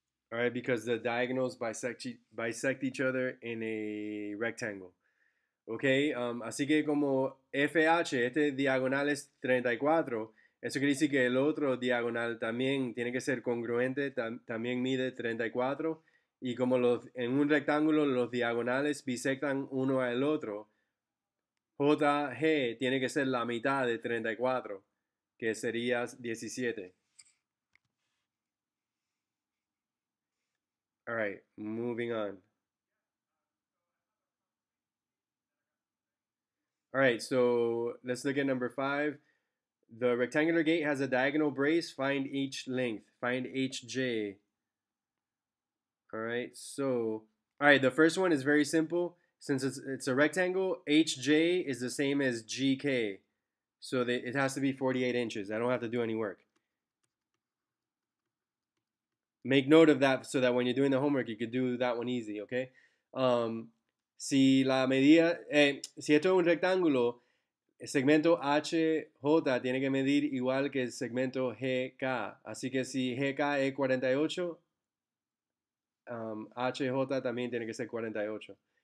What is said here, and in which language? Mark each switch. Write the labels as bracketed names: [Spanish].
[English] All right, because the diagonals bisect each other in a rectangle. [Spanish] Okay, así que como FH, este diagonal es 34, eso quiere decir que el otro diagonal también tiene que ser congruente, también mide 34. Y como los, en un rectángulo los diagonales bisectan uno al otro, JG tiene que ser la mitad de 34, que sería 17. [English] All right, moving on. All right, so let's look at number 5. The rectangular gate has a diagonal brace. Find each length. Find HJ. All right, so... All right, the first one is very simple. Since it's a rectangle, HJ is the same as GK. So it has to be 48 inches. I don't have to do any work. Make note of that so that when you're doing the homework, you could do that one easy, okay? [Spanish] Si la medida, si esto es un rectángulo, el segmento HJ tiene que medir igual que el segmento GK. Así que si GK es 48, HJ también tiene que ser 48.